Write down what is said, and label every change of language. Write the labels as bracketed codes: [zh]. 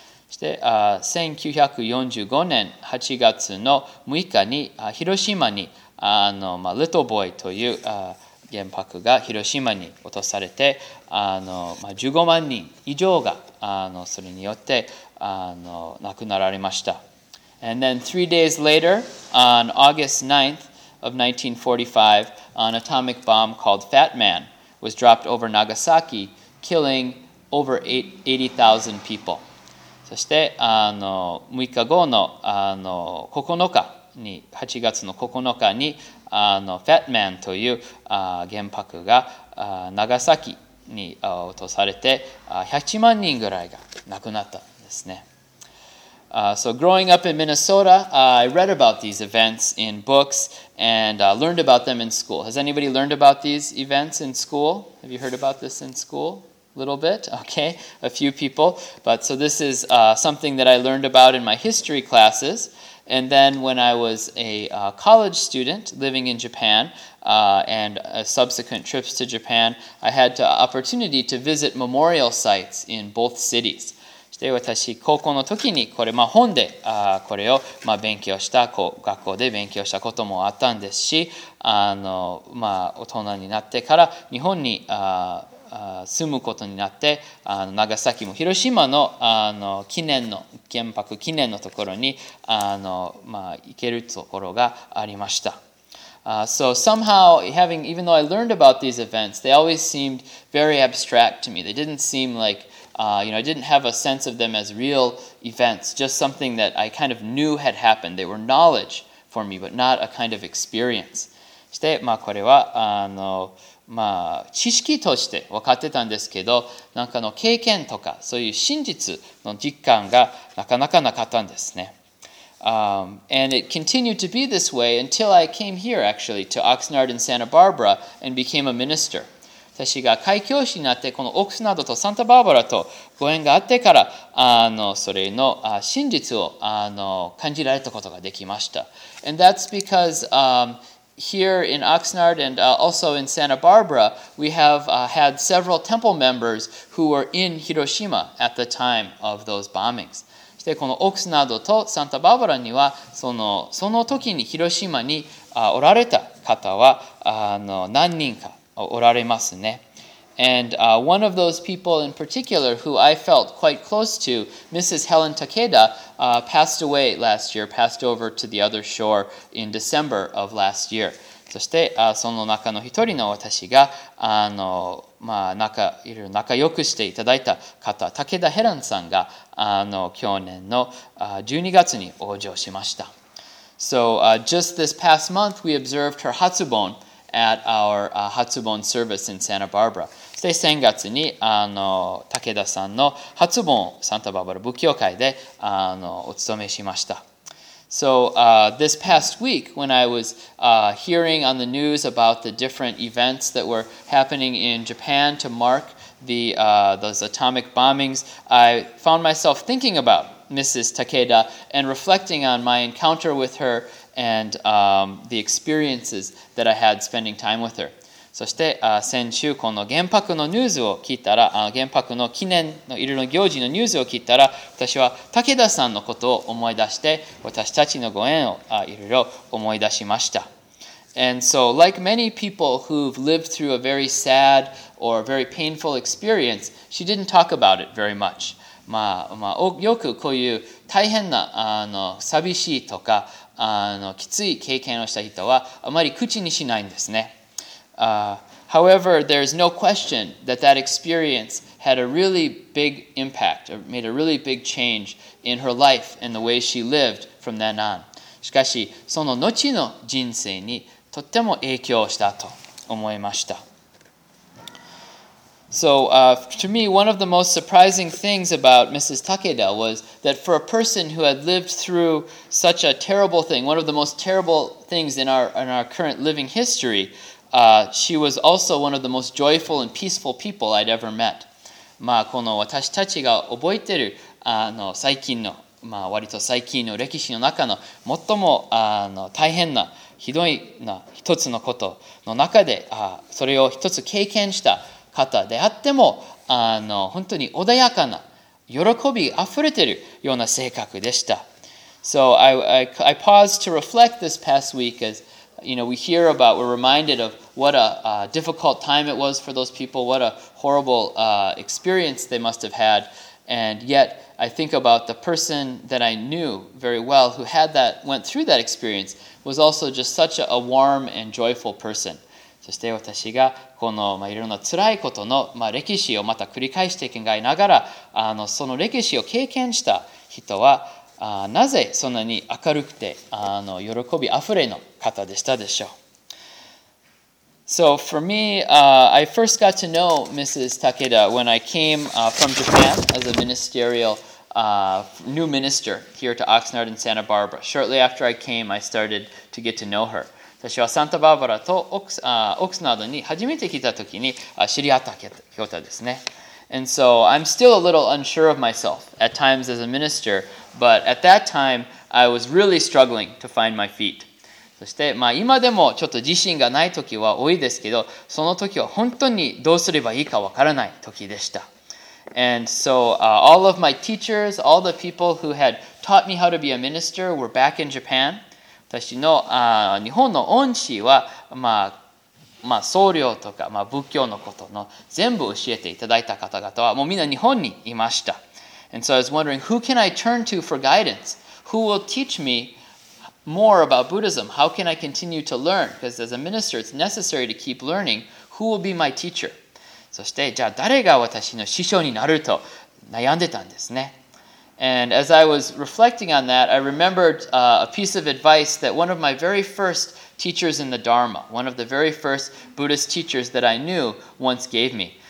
[ja] して、1945年8月の6日に、Hiroshima に、Little Boy という、原爆が Hiroshima に落とされて、15万人以上が、それによって、亡くなられました。 [en] And then 3 days later, on August 9th of 1945, an atomic bomb called Fat Man was dropped over Nagasaki, killing over 80,000 people. [ja] そして6日後の9日に8月の9日にFat Man という原爆が長崎に落とされて108万人ぐらいが亡くなったんですね。 [en] So growing up in Minnesota, I read about these events in books and learned about them in school. Has anybody learned about these events in school? Have you heard about this in school? A little bit? Okay, a few people. But so this is something that I learned about in my history classes. And then when I was a college student living in Japan and subsequent trips to Japan, I had the opportunity to visit memorial sites in both cities. [ja] で私高校の時にこれ、本でこれを勉強した学校で勉強したこともあったんですし大人になってから日本に住むことになって長崎も広島の記念の原爆記念のところに行けるところがありました。 [en] So somehow, even though I learned about these events, they always seemed very abstract to me. They didn't seem likeI didn't have a sense of them as real events, just something that I kind of knew had happened. They were knowledge for me, but not a kind of experience. [ja] そして、これは、知識として分かってたんですけど、なんかの経験とか、そういう真実の実感がなかなかなかったんですね。 [en] And it continued to be this way until I came here, actually, to Oxnard and Santa Barbara and became a minister. [ja] 私が開教師になってこのオクスナードとサンタバーバラとご縁があってからそれの真実を感じられたことができました。 [en] And that's because here in Oxnard and also in Santa Barbara, we have had several temple members who were in Hiroshima at the time of those bombings. [ja] そしてこのオクスナードとサンタバーバラにはその時に広島におられた方は何人か。おられますね。 [en] And one of those people in particular who I felt quite close to, Mrs. Helen Takeda, passed away last year, passed over to the other shore in December of last year. [ja] そして、その中の一人の私が、まあ、仲良くしていただいた方、武田ヘランさんが、去年の、12月に往生しました。 [en] So, just this past month, we observed her Hatsubon at our Hatsubon service in Santa Barbara. [ja] そして先月に、武田さんの Hatsubon をサンタバーバラ仏教会で、お務めしました。 [en] So this past week, when I was hearing on the news about the different events that were happening in Japan to mark the those atomic bombings, I found myself thinking about Mrs. Takeda and reflecting on my encounter with her and the experiences that I had spending time with her. [ja] そして、先週この原爆のニュースを聞いたら、原爆の記念のいろいろ行事のニュースを聞いたら、私は武田さんのことを思い出して、私たちのご縁をいろいろ思い出しました。 [en] And so, like many people who've lived through a very sad or very painful experience, she didn't talk about it very much. [ja] まあ、よくこういう大変な、寂しいとか、きつい経験をした人は、あまり口にしないんですね。 [en] However, there's no question that that experience had a really big impact, or made a really big change in her life and the way she lived from then on. [ja] しかし、その後の人生にとっても影響したと思いました。 [en] So, to me, one of the most surprising things about Mrs. Takeda was that for a person who had lived through such a terrible thing, one of the most terrible things in our current living history,she was also one of the most joyful and peaceful people I'd ever met. [ja] まあこの私たちが覚えてる最近のまあ割と最近の歴史の中の最も大変なひどいな一つのことの中でそれを一つ経験した方であっても本当に穏やかな喜び溢れてるような性格でした。 [en] So I paused to reflect this past week as. You know, we hear about, we're reminded of what a difficult time it was for those people, what a horrible experience they must have had. And yet, I think about the person that I knew very well who had that, went through that experience, was also just such a warm and joyful person. [ja] そして私がこの、まあ、いろんな辛いことの、まあ、歴史をまた繰り返して考えながら、その歴史を経験した人は、なぜそんなに明るくて喜びあふれの方でしたでしょう。 [en] So for me, I first got to know Mrs. Takeda when I came from Japan as a ministerial new minister here to Oxnard and Santa Barbara. Shortly after I came, I started to get to know her. [ja] 私はサンタバーバラとオクスナードに初めて来た時に知り合った方ですね。 [en] And so I'm still a little unsure of myself at times as a minister, but at that time I was really struggling to find my feet. [ja] そして、まあ、今でもちょっと自信がない時は多いですけど、その時は本当にどうすればいいかわからない時でした。 [en] And so all of my teachers, all the people who had taught me how to be a minister were back in Japan. [ja] 私の日本の恩師は、まあまあ、僧侶とか、まあ、仏教のことの全部教えていただいた方々はもうみんな日本にいました。 [en] And so I was wondering, who can I turn to for guidance? Who will teach me more about Buddhism? How can I continue to learn? Because as a minister, it's necessary to keep learning. Who will be my teacher? [ja] そして、じゃあ誰が私の師匠になると悩んでたんですね。 [en] And as I was reflecting on that, I remembered a piece of advice that one of my very firstteachers in the Dharma, one of the very first Buddhist teachers that I knew once gave me.